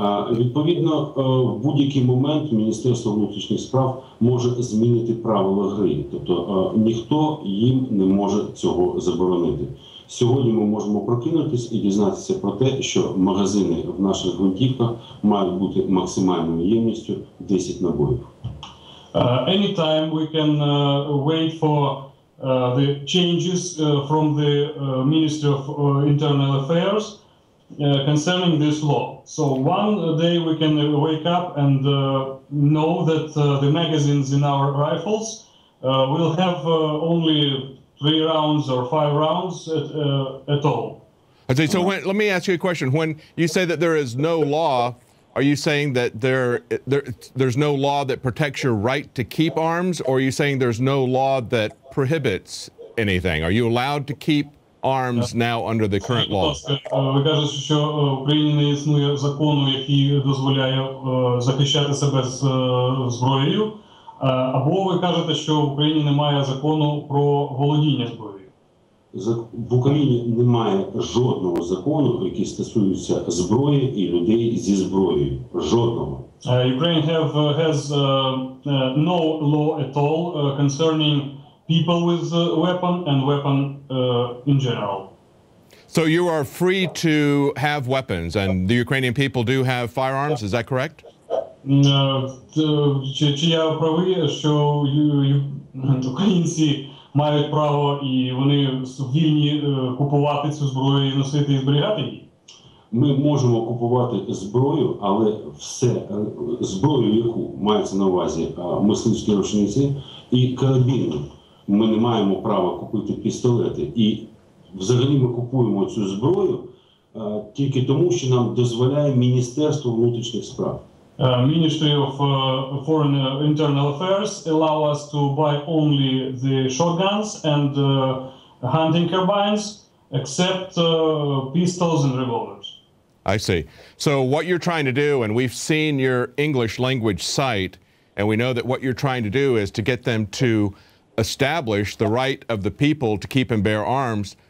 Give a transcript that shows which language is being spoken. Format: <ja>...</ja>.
<uk>Відповідно, в будь-який момент Міністерство внутрішніх справ може змінити правила гри, тобто ніхто їм не може цього заборонити. Сьогодні ми можемо прокинутись і дізнатися про те, що магазини в наших гвинтівках мають бути максимальною ємністю 10 набоїв.</uk> <en>Anytime we can wait for the changes from the Ministry of Internal Affairs concerning this law. So one day we can wake up and know that the magazines in our rifles will have only 3 rounds or 5 rounds at all. Okay, so let me ask you a question. When you say that there is no law, are you saying that there's no law that protects your right to keep arms, or are you saying there's no law that prohibits anything? Are you allowed to keep arms now under the current law?</en> <uk>Ви кажете, що в Україні не існує закону, який дозволяє захищати себе з зброєю. Або ви кажете, що в Україні немає закону про володіння зброєю? В Україні немає жодного закону, який стосується зброї і людей зі зброєю. Жодного.</uk> <en>Ukraine has no law at all concerning people with weapon and weapon in general. So you are free to have weapons, and the Ukrainian people do have firearms, is that correct?</en> <uk>Чи я правий, що українці мають право і вони вільні купувати цю зброю і носити і зберігати її? Ми можемо купувати зброю, але все зброю, яку мається на увазі мисливські рушниці і карабіни, ми не маємо права купити пістолети. І взагалі ми купуємо цю зброю тільки тому, що нам дозволяє Міністерство внутрішніх справ.</uk> <en>Ministry of Foreign Internal Affairs allow us to buy only the shotguns and hunting carbines, except pistols and revolvers. I see. So what you're trying to do, and we've seen your English language site, and we know that what you're trying to do is to get them to establish the right of the people to keep and bear arms.</en>